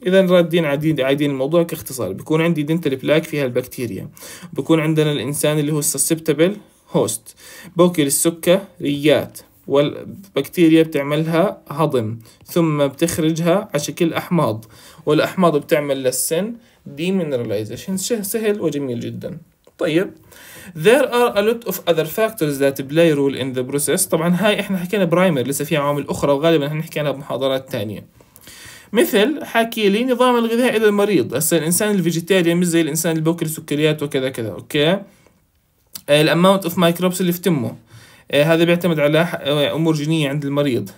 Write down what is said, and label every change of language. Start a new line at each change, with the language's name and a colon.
Arabic: إذا رادين عديد عايدين الموضوع كاختصار، بيكون عندي dental plaque فيها البكتيريا، بيكون عندنا الإنسان اللي هو susceptible host، بوكل السكريات والبكتيريا بتعملها هضم ثم بتخرجها على شكل أحماض، والأحماض بتعمل للسن demineralization. سهل وجميل جدا.
English: طيب there are a lot of other factors that play role in the process.
Arabic: طبعا هاي احنا حكينا برايمر، لسه في عوامل اخرى وغالبا هنحكي عنها بمحاضرات تانية، مثل حكي لي نظام الغذاء الى المريض. هسه الانسان الفيجيتيريان مش زي الانسان اللي بوكل سكريات وكذا كذا، اوكي
English: الاماونت of microbes
Arabic: اللي في تمه، هذا بيعتمد على امور جينيه عند المريض.